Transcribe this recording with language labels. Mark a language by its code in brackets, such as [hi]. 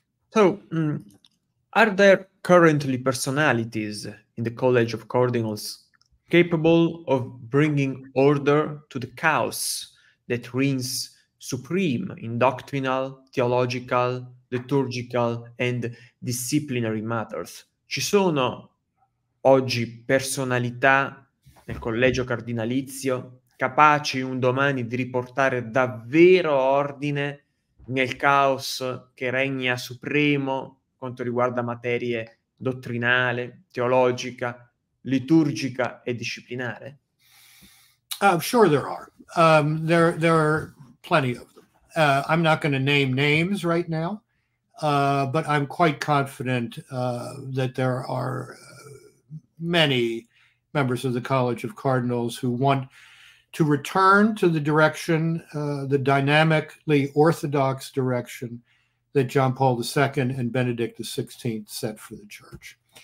[en] So, are there currently personalities in the College of Cardinals capable of bringing order to the chaos that reigns supreme in doctrinal, theological, liturgical, and disciplinary matters? [it] Ci sono oggi personalità nel collegio cardinalizio capaci un domani di riportare davvero ordine nel caos che regna supremo quanto riguarda materie dottrinale, teologica, liturgica e disciplinare? [en] Sure there are. There are plenty of them. I'm not going to name names right now, but I'm quite confident that there are many members of the College of Cardinals who want to return to the direction, the dynamically orthodox direction that John Paul II and Benedict XVI set for the church.